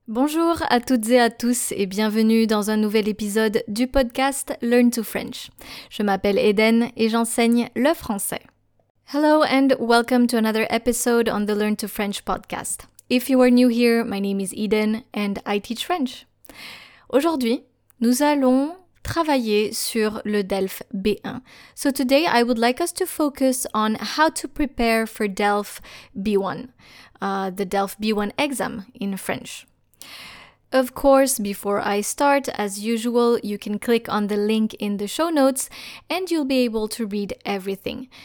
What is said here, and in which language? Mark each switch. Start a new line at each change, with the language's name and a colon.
French: Bonjour à toutes et à tous et bienvenue dans un nouvel épisode du podcast Learn to French. Je m'appelle Eden et j'enseigne le français.
English: Hello and welcome to another episode on the Learn to French podcast. If you are new here, my name is Eden and I teach French.
French: Aujourd'hui, nous allons travailler sur le DELF B1.
English: So today I would like us to focus on how to prepare for DELF B1, the DELF B1 exam in French. Of course, before I start, as usual, you can click on the link in the show notes and you'll be able to read everything.